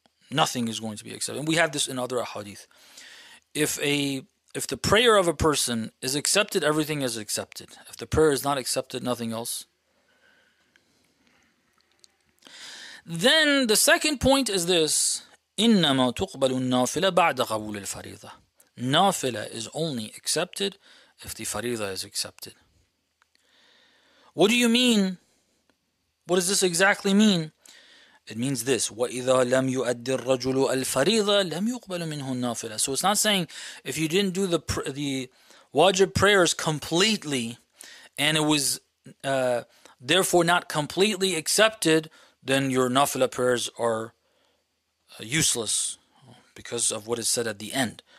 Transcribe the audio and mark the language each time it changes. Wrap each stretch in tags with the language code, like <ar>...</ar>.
<en>Nothing is going to be accepted. And we have this in other ahadith. If the prayer of a person is accepted, everything is accepted. If the prayer is not accepted, nothing else. Then the second point is this.</en> <ar>إِنَّمَا تُقْبَلُ النَّافِلَ بَعْدَ قَبُولِ الْفَرِيضَةِ.</ar> <en>Nafila is only accepted if the Fariḍa is accepted. What do you mean? What does this exactly mean? It means this:</en> <ar>وَإِذَا لَمْ يُؤَدِّ الرَّجُلُ الْفَرِيضَةَ لَمْ يُقْبَلُ مِنْهُ النَّافِلَةَ.</ar> <en>So it's not saying if you didn't do the wajib prayers completely, and it was therefore not completely accepted, then your nafila prayers are useless because of what is said at the end.</en>